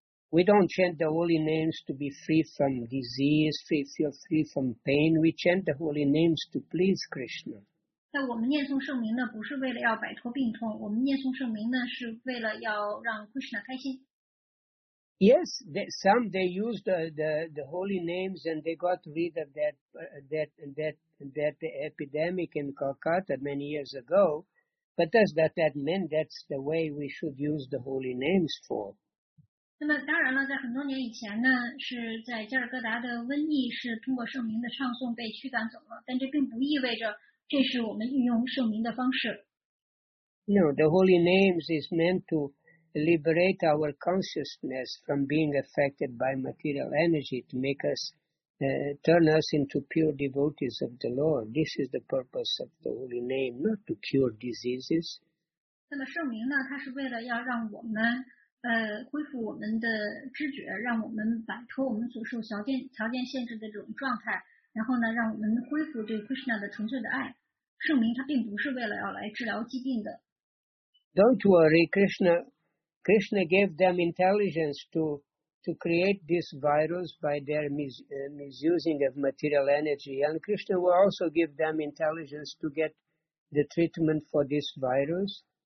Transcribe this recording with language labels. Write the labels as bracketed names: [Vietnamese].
[English] We don't chant the holy names to be free from disease, free from pain. We chant the holy names to please Krishna. [Chinese] 但我们念诵圣名呢，不是为了要摆脱病痛，我们念诵圣名呢，是为了要让 Krishna 开心。 [English] Yes, they used the holy names and they got rid of that epidemic in Calcutta many years ago. But does that mean that's the way we should use the holy names for? [Chinese] 那么当然了，在很多年以前呢，是在加尔各答的瘟疫是通过圣名的唱诵被驱赶走了，但这并不意味着这是我们运用圣名的方式。 [English] No, the holy names is meant to liberate our consciousness from being affected by material energy to make us turn us into pure devotees of the Lord. This is the purpose of the holy name, not to cure diseases. [Chinese] 那么圣名呢，它是为了要让我们恢复我们的知觉，让我们摆脱我们所受条件限制的这种状态，然后呢，让我们恢复对 Krishna 的纯粹的爱。圣名它并不是为了要来治疗疾病的。 [English] Don't worry, Krishna gave them intelligence to create this virus by their misusing of material energy. And Krishna will also give them intelligence to get the treatment for this virus.